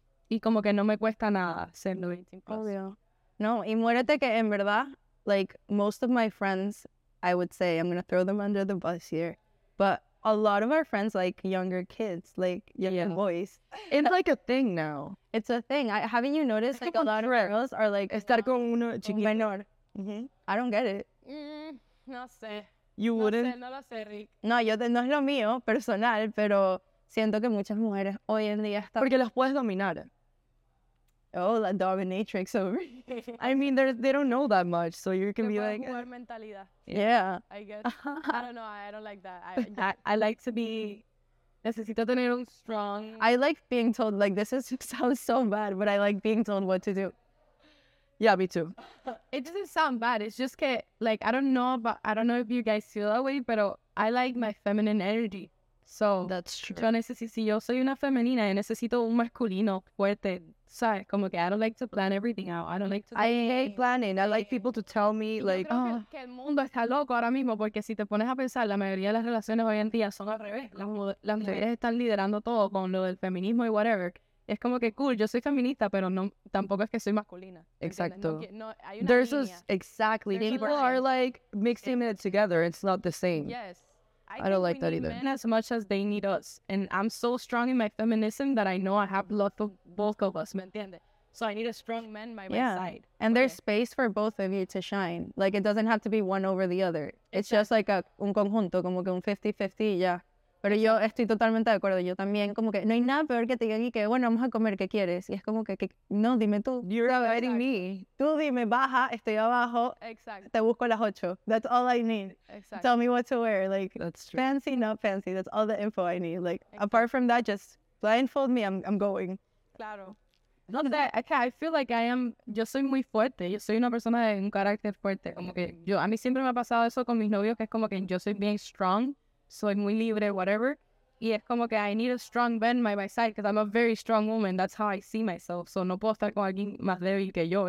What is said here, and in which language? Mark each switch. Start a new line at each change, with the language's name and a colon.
Spanish: Y como que no me cuesta nada ser 18+. Obvio. No, y muérete que en verdad,
English: most of my friends, I would say, I'm going to throw them under the bus here, but a lot of our friends, younger kids, younger boys. It's a thing now. It's a thing. Haven't you noticed, a lot of girls are
Spanish: estar con uno chiquito.
English: Menor. Mm-hmm. I don't get it.
Spanish: No sé.
English: You no wouldn't?
Spanish: Sé, no lo sé, Rick. No, yo no es lo mío, personal, pero siento que muchas mujeres hoy en día están... Porque los puedes dominar. Oh, la dominatrix over
English: here. I mean, they don't know that much, so you can be like...
Spanish: Jugar mentalidad.
English: Yeah. I guess. I don't know. I don't like that. I like to be...
Spanish: Necesito tener un
English: strong... I like being told, this is sounds so bad, but I like being told what to do. Yeah, me too. It doesn't sound bad. It's just que, I don't know about... I don't know if you guys feel that way, but I like my feminine energy. So... That's true.
Spanish: Yo necesito... Si yo soy una femenina, y necesito un masculino fuerte...
English: Sorry,
Spanish: como que
English: I don't like to plan everything out. I don't like to. I hate planning. I like people to tell me,
Spanish: Que el mundo está loco ahora mismo, porque si te pones a pensar, la mayoría de las relaciones hoy en día son al revés. Las mujeres están liderando todo con lo del feminismo y whatever. Es como que cool, yo soy feminista, pero no, tampoco es que soy masculina. Exacto. No,
English: there's just exactly there's people are mixing it together. It's not the same. Yes. I don't like that either. Men as much as they need us. And I'm so strong in my feminism that I know I have lots of both of us,
Spanish: ¿me entiende?
English: So I need a strong man by my side. And there's space for both of you to shine. It doesn't have to be one over the other. It's just
Spanish: un conjunto, como que un 50-50 y ya. Pero yo estoy totalmente de acuerdo. Yo también, como que no hay nada peor que te digan y que, bueno, vamos a comer, ¿qué quieres? Y es como que no, dime tú.
English: You're inviting me.
Spanish: Tú dime, baja, estoy abajo. Exacto. Te busco a las 8.
English: That's all I need.
Spanish: Exacto.
English: Tell me what to wear. That's true. Fancy, not fancy. That's all the info I need. Apart from that, just blindfold me, I'm going.
Spanish: Claro. No sé,
English: I feel like I am,
Spanish: yo soy muy fuerte. Yo soy una persona de un carácter fuerte. Como que yo, a mí siempre me ha pasado eso con mis novios, que es como que yo soy bien strong. Soy muy libre, whatever. Y es como que
English: I need a strong man by my side because I'm a very strong woman. That's how I see myself. So
Spanish: no puedo estar con alguien más débil que yo.